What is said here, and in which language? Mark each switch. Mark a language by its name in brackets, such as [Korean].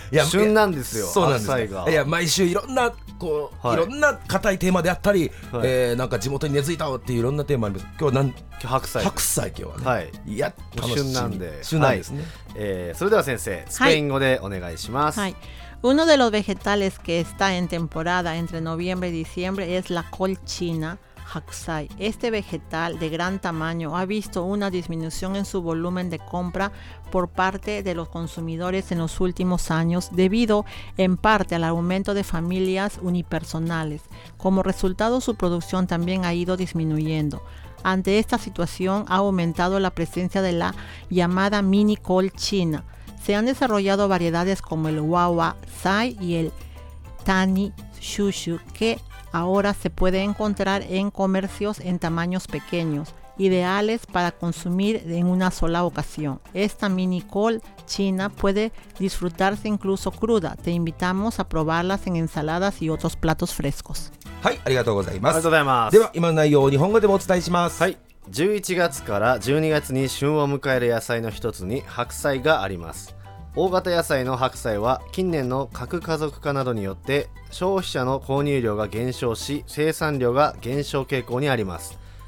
[Japanese] いや旬なんですよ。そうなんです。白菜がいや毎週いろんなこう、はい、いろんな硬いテーマであったり、はい、なんか地元に根付いたっていういろんなテーマあります。今日は今日白菜、白菜今日はね、はい、いや楽しみ。旬なんで、旬なんですね、はい。それでは先生、スペイン語でお願いします。はい、 [Spanish] Uno de los vegetales que está en temporada entre noviembre y diciembre es la col china, hakusai. Este vegetal de gran tamaño ha visto una disminución en su volumen de compra por parte de los consumidores en los últimos años debido en parte al aumento de familias unipersonales. Como resultado, su producción también ha ido disminuyendo. Ante esta situación, ha aumentado la presencia de la llamada mini col china. Se han desarrollado variedades como el Wawa Sai y el Tani Shushu que ahora se puede encontrar en comercios en tamaños pequeños, ideales para consumir en una sola ocasión. Esta mini col china puede disfrutarse incluso cruda. Te invitamos a probarlas en ensaladas y otros platos frescos. [Japanese] はい、ありがとうございます。ありがとうございます。では、今の内容を日本語でもお伝えします。はい。 11月から12月に旬を迎える野菜の一つに白菜があります。大型野菜の白菜は近年の核家族化などによって消費者の購入量が減少し生産量が減少傾向にあります。